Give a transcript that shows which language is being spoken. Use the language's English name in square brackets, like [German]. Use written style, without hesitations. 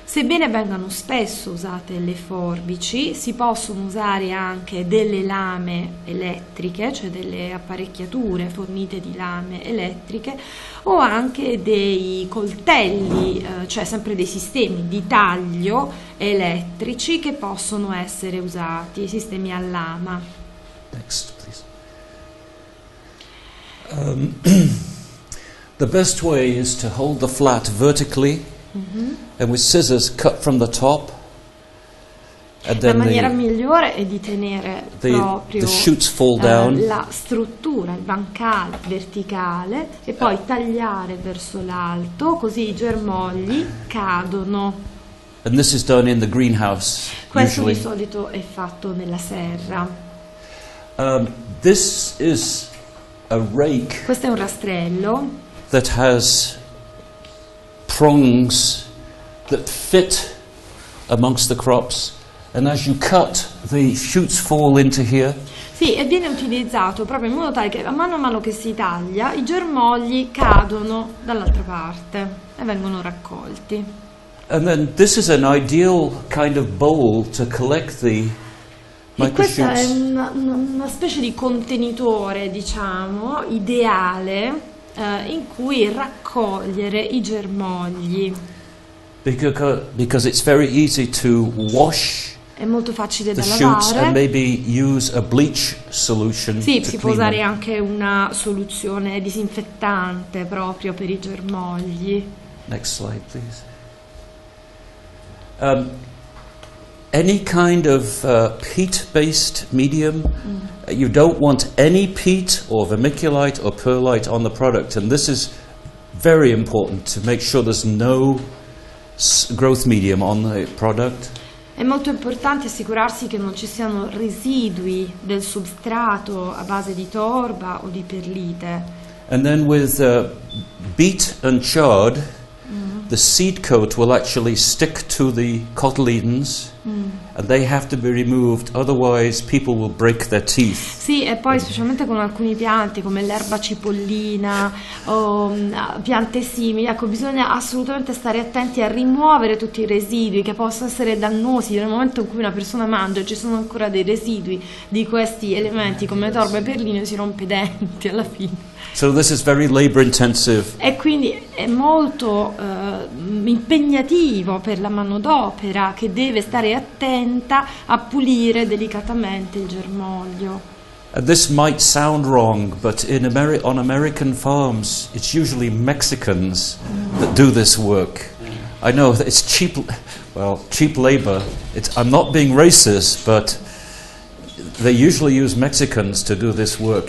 [Italian] Sebbene vengano spesso usate le forbici, si possono usare anche delle lame elettriche, cioè delle apparecchiature fornite di lame elettriche, o anche dei coltelli, cioè sempre dei sistemi di taglio elettrici che possono essere usati, sistemi a lama. [English] Next, please. The best way is to hold the flat vertically. Mm-hmm. And with scissors cut from the top, and then [Italian] la maniera migliore è di tenere [English] the shoots fall down, [Italian] la struttura, il bancale verticale, e poi tagliare verso l'alto, così i germogli cadono. [English] And this is done in the greenhouse. [Italian] Questo [English] usually. [Italian] Di solito è fatto nella serra. [English] This is a rake. [Italian] Questo è un rastrello [English] that has prongs that fit amongst the crops, and as you cut, the shoots fall into here. [Italian] Sì, e viene utilizzato proprio in modo tale che a mano che si taglia, i germogli cadono dall'altra parte e vengono raccolti. [English] And then this is an ideal kind of bowl to collect the microshoots. [Italian] E questa è una specie di contenitore, diciamo, ideale. In cui raccogliere i germogli. [English] Because it's very easy to wash. [Italian] È molto facile [English] the shoots [Italian] lavare. [English] And maybe use a bleach solution. [Italian] Sì, [English] to [Italian] si [English] clean [Italian] può usare [English] them. [Italian] Anche una soluzione disinfettante proprio per i germogli. [English] Next slide, please. Any kind of peat-based medium. You don't want any peat or vermiculite or perlite on the product, and this is very important to make sure there's no growth medium on the product. [Italian] È molto importante assicurarsi che non ci siano residui del substrato a base di torba o di perlite. [English] And then with beet and chard, the seed coat will actually stick to the cotyledons. And they have to be removed, otherwise people will break their teeth. [Italian] Sì, e poi specialmente con alcuni pianti come l'erba cipollina o piante simili, ecco, bisogna assolutamente stare attenti a rimuovere tutti i residui che possono essere dannosi nel momento in cui una persona mangia, ci sono ancora dei residui di questi elementi come torba e perline, si rompe i denti alla fine. [English] So this is very labor intensive. [Italian] E quindi è molto impegnativo per la manodopera che deve stare attenta a pulire delicatamente il germoglio. [English] This might sound wrong, but on American farms it's usually Mexicans that do this work. I know it's cheap labor. I'm not being racist, but they usually use Mexicans to do this work.